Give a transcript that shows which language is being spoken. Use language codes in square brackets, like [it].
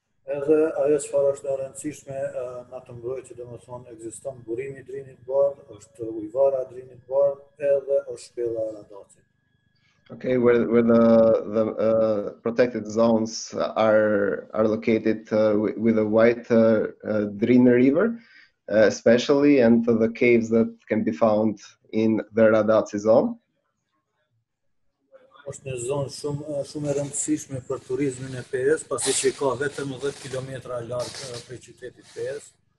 [sq] Edhe ajo çfarë është e rëndësishme në atë mbrojtje, domethënë ekziston burimi i drinit bardh, është ujvara e drinit bardh, edhe është shpella e Radacit. [en] Okay, where the protected zones are located with a wide Drin River, especially, and the caves that can be found in the Radaci zone. [sq] Është një zonë shumë e rëndësishme për turizmin e PEA-s, pasi që ka vetëm 10 kilometra larg prej qytetit PEA-s.